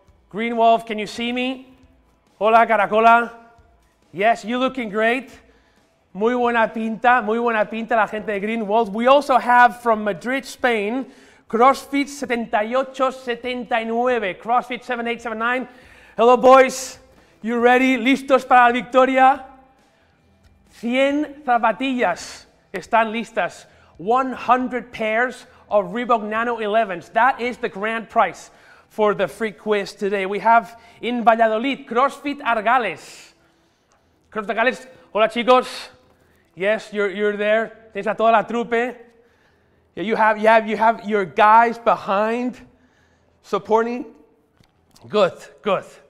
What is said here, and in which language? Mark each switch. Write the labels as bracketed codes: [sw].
[en] Green Wolf, can you see me? [es] Hola, Caracola. [en] Yes, you're looking great. [es] Muy buena pinta, la gente de Green Wolf. [en] We also have from Madrid, Spain, CrossFit 7879, CrossFit 7879. Hello, boys. You ready? [es] Listos para la victoria? 100 zapatillas están listas. [en] 100 pairs of Reebok Nano 11s. That is the grand prize for the Free Quiz today. We have in Valladolid, CrossFit Argales. CrossFit Argales, [es] hola chicos. [en] Yes, you're there. [es] Tienes a toda la trupe. [en] You have your guys behind supporting. Good, good.